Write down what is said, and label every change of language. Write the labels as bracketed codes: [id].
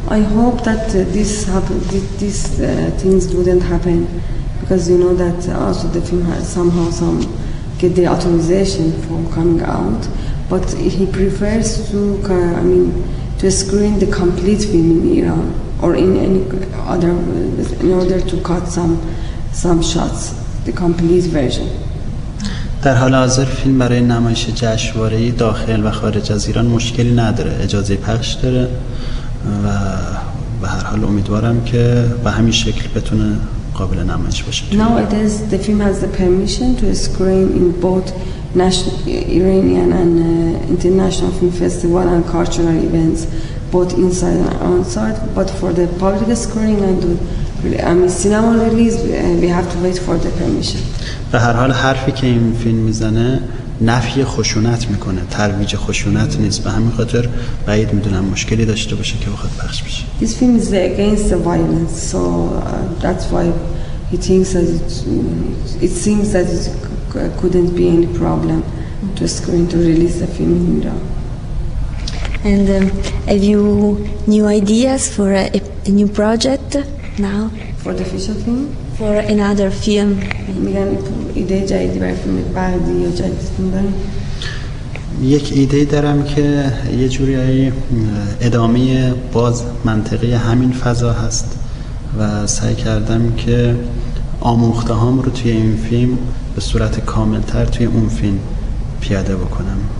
[en] I hope that this happened, these things wouldn't happen because you know that also the film has somehow some get the authorization for coming out, but he prefers to to screen the complete film in Iran or in any other in order to cut some shots the complete version. [fa] در حال حاضر فیلم برای نمایش جشنواره‌ای داخل و خارج از ایران مشکلی نداره، اجازه پخش داره و به هر حال امیدوارم که به همین شکل بتونه قابل نمایش باشه. [en] Now it is the film has the permission to screen in both Iranian and international film festival and cultural events both inside and outside, but for the public screening and cinema release we have to wait for the permission. [fa] به هر حال حرفی که این فیلم میزنه نفی خشونت میکنه، ترویج خشونت نیست، به همین خاطر بعید میدونم مشکلی داشته باشه که بخواد پخش بشه. [en] This film is against the violence, so that's why he thinks that it seems that it couldn't be any problem to screen to release the film in Iran. And have you new ideas for a new project now? For the official film? For another film. [fa] میگن ایده جدیدی برای فیلم بعدی یا جدیدتون دارم؟ یک ایده دارم که یه جوری ادامه باز منطقه همین فضا هست و سعی کردم که آموخته هام رو توی این فیلم به صورت کامل تر توی اون فیلم پیاده بکنم.